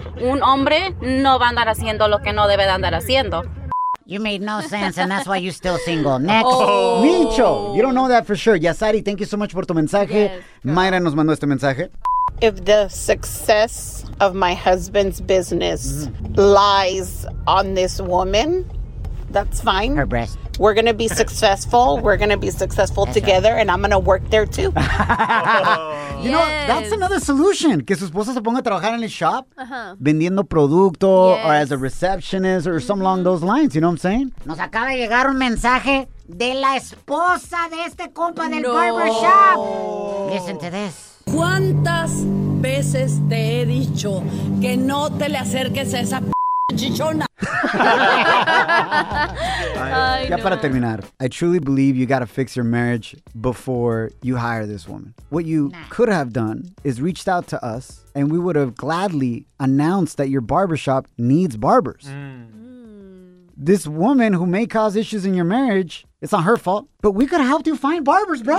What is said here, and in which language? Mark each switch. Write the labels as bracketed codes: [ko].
[es] Un hombre no va a andar haciendo lo que no debe de andar haciendo. [en] You made no sense, and that's why you're still single. Next. Oh. Micho, you don't know that for sure. Yasari, thank you so much for [es] tu mensaje. [en] Yes. [es] Mayra nos mandó este mensaje. [en] If the success of my husband's business lies on this woman, that's fine. Her breast. We're going to be successful. We're going to be successful that's together, right. And I'm going to work there too. You know, that's another solution. [es] Que su esposa se ponga a trabajar en el shop, vendiendo producto, [en] or as a receptionist, or something along those lines. You know what I'm saying? [es] Nos acaba de llegar un mensaje de la esposa de este compa del barbershop. [en] Listen to this. [es] ¿Cuántas veces te he dicho que no te le acerques a esa p*** chichona? Ay, ya no. Para terminar, [en] I truly believe you gotta fix your marriage before you hire this woman. What you could have done is reached out to us, and we would have gladly announced that your barbershop needs barbers. This woman who may cause issues in your marriage, it's not her fault, but we could help you find barbers, bro.